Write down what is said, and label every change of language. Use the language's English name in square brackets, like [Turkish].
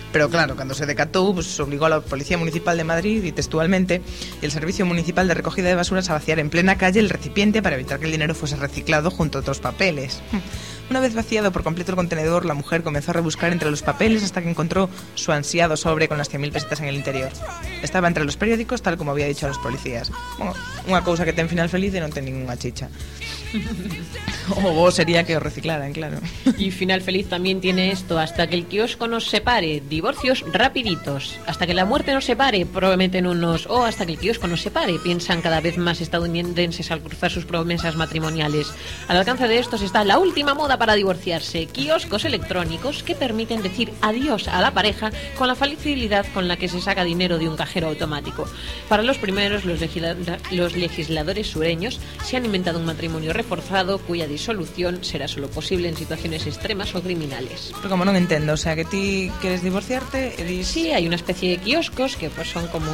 [Spanish] Pero claro, [Galician] cando se decatou, [Spanish] pues, obligou a la Policía Municipal de Madrid y textualmente el Servicio Municipal de Recogida de Basuras a vaciar en plena calle el recipiente para evitar que el dinero fuese reciclado junto a otros papeles. Una vez vaciado por completo el contenedor, la mujer comenzó a rebuscar entre los papeles hasta que encontró su ansiado sobre con las 100.000 pesetas en el interior. Estaba entre los periódicos, tal como había dicho a los policías. Bueno, [Galician] unha cousa que ten final feliz e non ten ninguna chicha. O bo sería que o reciclaran, claro. E final feliz tamén [Spanish] tiene isto: hasta que el quiosco nos separe, divorcios rapiditos. Hasta que la muerte nos separe, prometen unos. O hasta que el quiosco nos separe, piensan cada vez más estadounidenses al cruzar sus promesas matrimoniales. Al alcance de estos está la última moda para divorciarse: quioscos electrónicos que permiten decir adiós a la pareja con la facilidad con la que se saca dinero de un cajero automático. Para los primeros, los legisladores sureños se han inventado un matrimonio reforzado cuya disolución será solo posible en situaciones extremas o criminales. [Galician] Pero como non entendo, o sea, que ti queres divorciarte e dis... Sí, hai unha especie de quioscos que pues, son como